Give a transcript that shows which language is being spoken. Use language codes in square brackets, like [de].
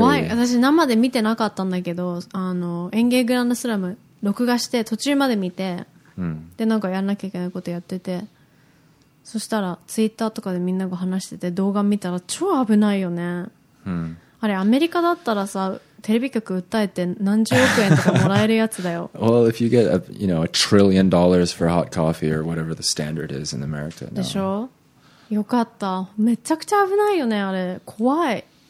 [ja] 怖い。私生で見てなかったんだけど、 あの、園芸グランドスラム録画して途中まで見て、 で、なんかやんなきゃいけないことやってて、 そしたらツイッターとかでみんなが話してて動画見たら超危ないよね。あれアメリカだったらさ、 テレビ局訴えて何十億円とかもらえるやつだよ。 [en] Well, if you get a, you know, $1 trillion for hot coffee or whatever the standard is in America. No. [ja] でしょ?よかった。めちゃくちゃ危ないよね、あれ。怖い。